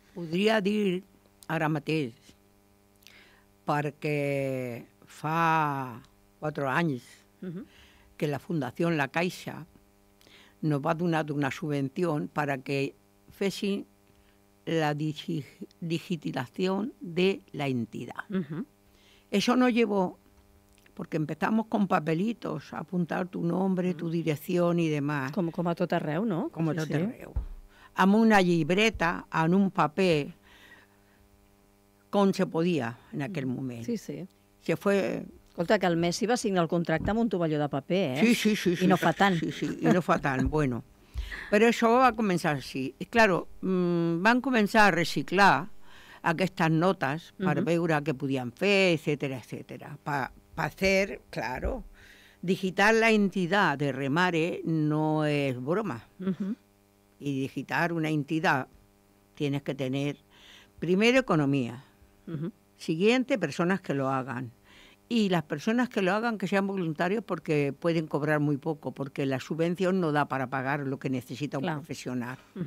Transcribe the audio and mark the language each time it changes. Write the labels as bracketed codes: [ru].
[ca] Podria dir ara mateix, perquè fa 4 anys que la Fundació La Caixa nos va donar una subvenció perquè fessin la digitalització de la entitat. [es] Eso nos llevó, porque empezamos con papelitos, a apuntar tu nombre, tu dirección y demás. [ca] Como a tot arreu, ¿no? Como a tot arreu. Amb una llibreta, en un paper, com se podia en aquell moment. Sí, sí. [es] Se fue... [ca] Escolta, que el Messi va signar el contracte amb un tovalló de paper, ¿eh? Sí, sí, sí. I no fa tant. Sí, sí, i no fa tant, bueno. Però això va començar així. I, claro, van començar a reciclar aquestes notes per veure què podien fer, etcètera, etcètera. Per fer, claro, digitar la entitat de Remare no és broma. I digitar una entitat [es] tienes que tener, primero, economía. Siguiente, personas que lo hagan. Y las personas que lo hagan, que sean voluntarios, porque pueden cobrar muy poco, porque la subvención no da para pagar lo que necesita un profesional.